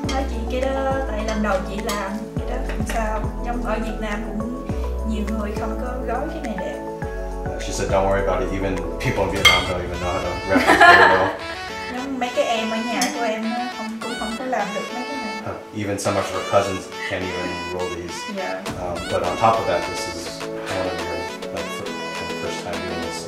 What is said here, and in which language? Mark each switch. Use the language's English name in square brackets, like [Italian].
[Vietnamese] Chị cái đó tại lần đầu chị làm, cái đó không sao. Nhưng ở Việt Nam cũng nhiều người không có gói cái này đẹp. [English] She said, "Don't worry about it. Even people in Vietnam don't even know how to wrap it well." [Vietnamese] Mấy cái em ở nhà của em cũng không có làm được mấy cái này. [English] Even some of her cousins can't even roll these. Yeah. But on top of that, this is one of your first time doing this.